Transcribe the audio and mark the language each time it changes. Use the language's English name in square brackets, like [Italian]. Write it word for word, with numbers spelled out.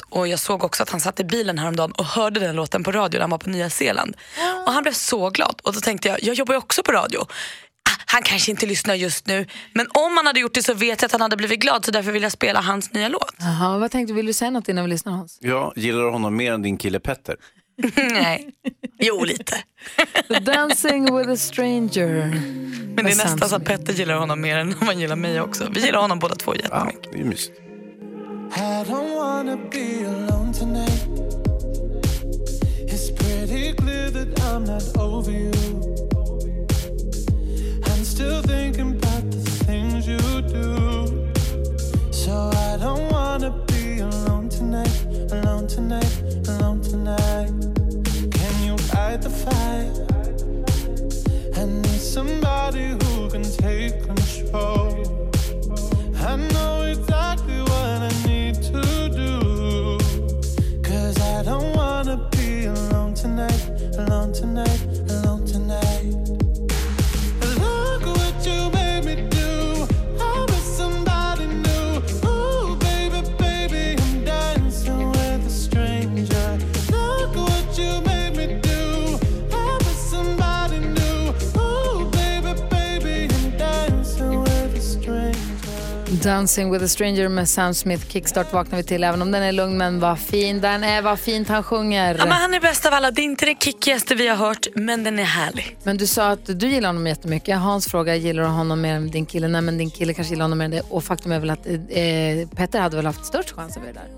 [Swedish] Och jag såg också att han satt i bilen häromdagen och hörde den låten på radio när han var på Nya Zeeland. Ja. Och han blev så glad. Och då tänkte jag, jag jobbar ju också på radio. Ah, han kanske inte lyssnar just nu. Men om han hade gjort det så vet jag att han hade blivit glad. Så därför vill jag spela hans nya låt. Jaha, vad tänkte du? Vill du säga något innan vi lyssnar, Hans? Ja, gillar du honom mer än din kille Petter? Nej, jo lite. [English] Dancing with a stranger. [Swedish] Men det är nästan så att Petter gillar honom mer än man gillar mig också. Vi gillar honom båda två jättemycket. Ja, det är mysigt. [English] I don't wanna be alone tonight. It's pretty clear that I'm not over you. I'm still thinking about the things you do. So I don't wanna be alone tonight. Alone tonight, alone tonight. Can you fight the fight? I need somebody who can take control. I know exactly what I need to do. Cause I don't wanna be alone tonight, alone tonight, alone tonight. Look what you made me do. I'm with somebody new. Ooh, baby, baby, I'm dancing with a stranger. Look what you made me do. I'm with somebody new. Ooh, baby, baby, I'm dancing with a stranger. [Swedish] Dancing with a stranger med Sam Smith. Kickstart vaknar vi till, även om den är lugn. Men vad fin den är, vad fint han sjunger. Ja, men han är bäst av alla, det är inte det kickigaste vi har hört, men den är härlig. Men du sa att du gillar honom jättemycket. Hans fråga, gillar du honom mer än din kille? Nej, men din kille kanske gillar honom mer än det. Och faktum är väl att eh, Petter hade väl haft störst chans över det där.